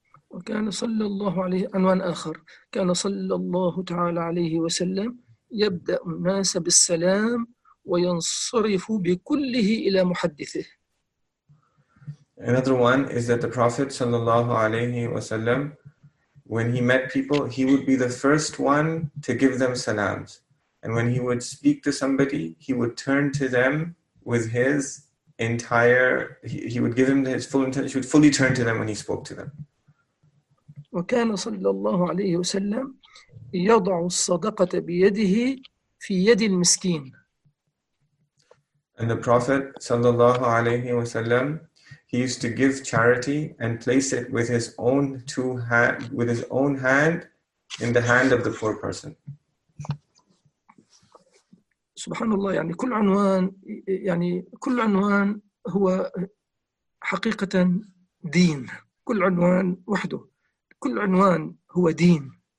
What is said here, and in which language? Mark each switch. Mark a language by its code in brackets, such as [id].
[ar] وكان صلى الله عليه عنوان آخر كان صلى الله تعالى عليه وسلم يبدأ الناس بالسلام وينصرف بكله إلى محدثه. [en] Another one is that the Prophet [ar] sallallahu alaihi wasallam, [en] when he met people, he would be the first one to give them salams, and when he would speak to somebody, he would turn to them with his entire, he would give him his full intention, he would fully turn to them when he spoke to them. [ar] وكان صلى الله عليه وسلم يضع الصدقة بيده في يد المسكين. [en] And the Prophet [ar] sallallahu alaihi wasallam, [en] he used to give charity and place it with his own two hand, with his own hand, in the hand of the poor person. [ar] سبحان الله، يعني كل عنوان، يعني كل عنوان هو حقيقة دين، كل عنوان وحده، كل عنوان هو دين.